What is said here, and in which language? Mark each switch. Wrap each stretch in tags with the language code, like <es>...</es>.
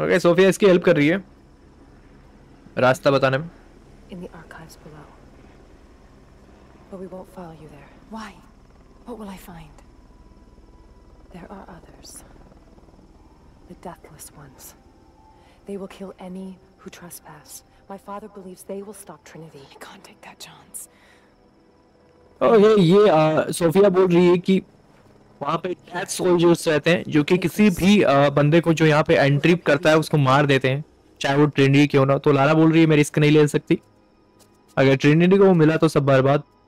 <hi>Okay Sophia इसकी help कर रही है रास्ता बताने में।</hi> <en>In the archives below. But we won't follow you there. Why? What will I find? There are others. The deathless ones. They will kill any who trespass, My father believes they will stop Trinity. You can't take that chance.</en> <hi>Oh, hey, ये Sophia बोल रही है कि वहाँ पे death soldiers रहते हैं जो कि किसी भी बंदे को जो यहाँ पे एंट्री करता है उसको मार देते हैं, चाहे वो ट्रिनिटी क्यों ना। तो लारा बोल रही है मैं रिस्क नहीं ले सकती, अगर ट्रिनिटी को वो मिला तो सब बर्बाद।</hi>